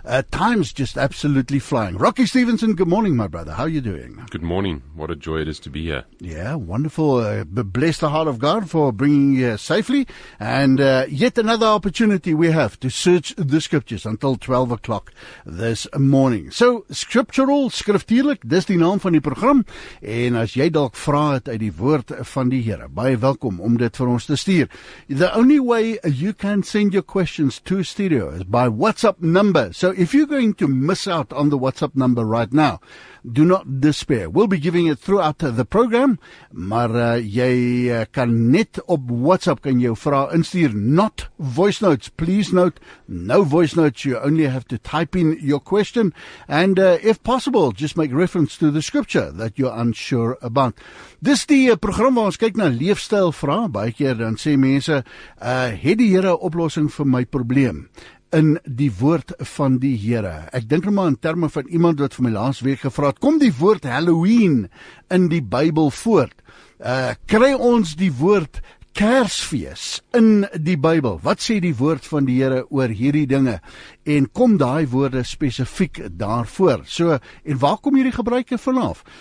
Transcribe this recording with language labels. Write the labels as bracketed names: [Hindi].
[English] Time's just absolutely flying. Rocky Stevenson, good morning, my brother. How are you doing? Good morning. What a joy it is to be here. Yeah, wonderful. Bless the heart of God for bringing you safely. And yet another opportunity we have to search the scriptures until 12 o'clock this morning. [Afrikaans] So, scriptural, skriftuurlik, dis die naam van die program. En as jy dalk vra het uit die woord van die Here, baie welkom om dit vir ons te stuur. [English] The only way you can send your questions to studio is by WhatsApp numbers. So if you're going to miss out on the WhatsApp number right now, do not despair. We'll be giving it throughout the program, [Afrikaans] maar jy kan net op WhatsApp kan jou vraag instuur, [English] not voice notes. Please note, no voice notes. You only have to type in your question, and if possible, just make reference to the scripture that you're unsure about. [Afrikaans] Dis die program waar ons kyk na leefstijl vraag. Baie keer dan sê mense, het die Here 'n oplossing vir my probleem? In die woord van die Here. Ek dink nou maar in terme van iemand wat vir my laas week gevra het, kom die woord Halloween in die Bybel voort? Kry ons die woord Kersfees in die Bybel? Wat sê die woord van die Here oor hierdie dinge? En kom daai woorde spesifiek daarvoor? So, en waar kom hierdie gebruike vanaf?